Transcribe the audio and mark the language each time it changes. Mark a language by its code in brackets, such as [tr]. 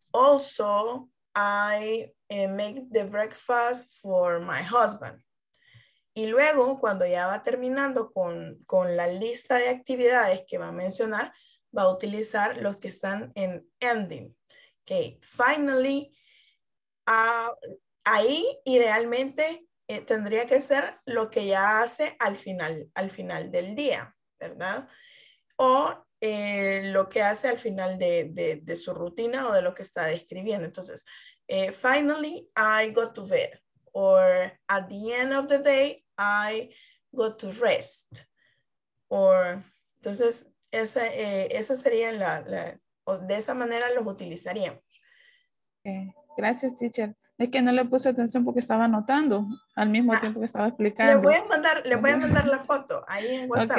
[en] Also, I make the breakfast for my husband. [es] Y luego, cuando ya va terminando con la lista de actividades que va a mencionar, va a utilizar los que están en ending. Okay. Finally, ahí idealmente tendría que ser lo que ya hace al final del día, ¿verdad? O lo que hace al final de su rutina o de lo que está describiendo. [en] Entonces, finally, I go to bed. Or at the end of the day, I go to rest. [es] Or, entonces, esa sería de esa manera los utilizaríamos. Gracias, teacher. Es que no le puse atención porque estaba anotando al mismo tiempo que estaba explicando. Le voy a mandar la foto ahí en WhatsApp.